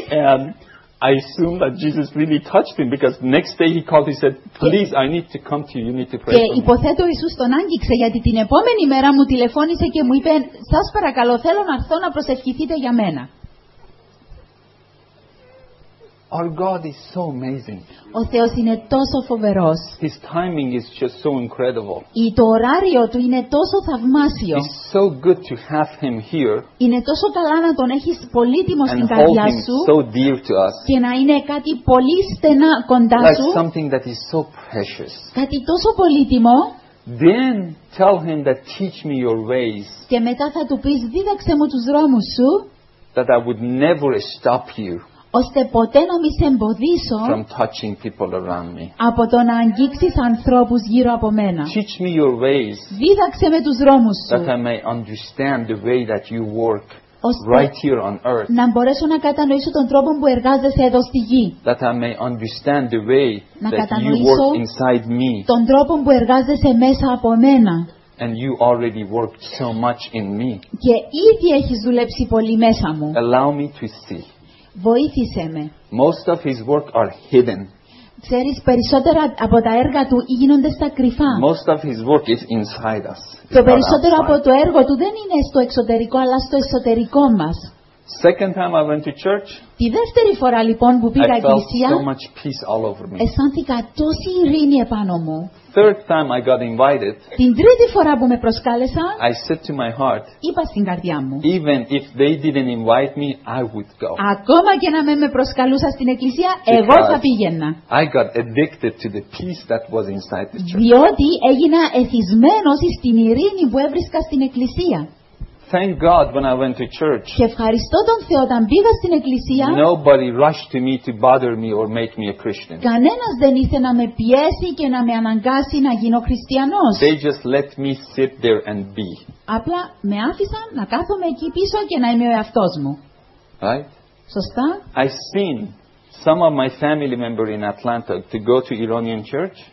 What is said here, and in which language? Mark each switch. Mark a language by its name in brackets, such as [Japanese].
[English] And I assumed that Jesus really touched him because the next day he called. He said, "Please, I need to come to you. You need to pray for me." [Greek] Και υποθέτω ο Ιησούς τον άγγιξε γιατί την επόμενη μέρα μου τηλεφώνησε και μου είπε, «Σας παρακαλώ, θέλω να έρθω να προσευχηθείτε για μένα». [English] Our God is so amazing. [Greek] Ο Θεός είναι τόσο φοβερός. [English] His timing is just so incredible. [Greek] Ή το ωράριο του είναι τόσο θαυμάσιο. [English] It's so good to have him here. [Greek] Είναι τόσο καλά να τον έχεις πολύτιμο στην καρδιά σου. [English] And so dear to us. [Greek] Και να είναι κάτι πολύ στενά κοντά σου. [English] Like something that is so precious. [Greek] Κάτι τόσο πολύτιμο. [English] Then tell him that teach me your ways. [Greek] Και μετά θα του πεις, δίδαξε μου τους δρόμους σου. [English] That I would never stop you. [Greek] Ώστε ποτέ να μη σε εμποδίσω [English] from touching people around me. [Greek] Από το να αγγίξεις ανθρώπους γύρω από μένα. [English] Teach me your ways. [Greek] Δίδαξε με τους δρόμους σου. [English] That I may understand the way that you work right here on earth. [Greek] Να μπορέσω να κατανοήσω τον τρόπο που εργάζεσαι εδώ στη γη. [English] That I may understand the way that you work inside me. [Greek] Τον τρόπο που εργάζεσαι μέσα από μένα. [English] And you already worked so much in me. [Greek] Και ήδη έχεις δουλέψει πολύ μέσα μου. [English] Allow me to see. [Greek] Βοήθησέ με. [English] Most of his work are hidden. [Greek] Ξέρεις, περισσότερα από τα έργα του γίνονται στα κρυφά. [English] Most of his work is inside us. [Greek] Το περισσότερο από το έργο του δεν είναι στο εξωτερικό, αλλά στο εσωτερικό μας. [English] Second time I went to church, [Greek] τη δεύτερη φορά λοιπόν που πήγα εκκλησία, [English] so much peace all over me. [Greek] Αισθάνθηκα τόση ειρήνη επάνω μου. [English] Third time I got invited, [Greek] την τρίτη φορά που με προσκάλεσαν, [English] I said to my heart, [Greek] είπα στην καρδιά μου, [English] even if they didn't invite me, I would go. [Greek] Ακόμα και να με προσκαλούσαν στην εκκλησία, εγώ θα πήγαινα. [English] I got addicted to the peace that was inside the church. [Greek] Διότι έγινα εθισμένος στην ειρήνη που έβρισκα στην εκκλησία. [English] Thank God when I went to church. [Greek] Και ευχαριστώ τον Θεό όταν πήγα στην εκκλησία. [English] Nobody rushed to me to bother me or make me a Christian. [Greek] Κανένας δεν ήθελε να με πιέσει και να με αναγκάσει να γίνω χριστιανός. [English] They just let me sit there and be. [Greek] Απλά με άφησαν να κάθομαι εκεί πίσω και να είμαι ο εαυτός μου. [English] Right? [Greek] Σωστά? [English] I seen some of my family members in Atlanta to go to Iranian church.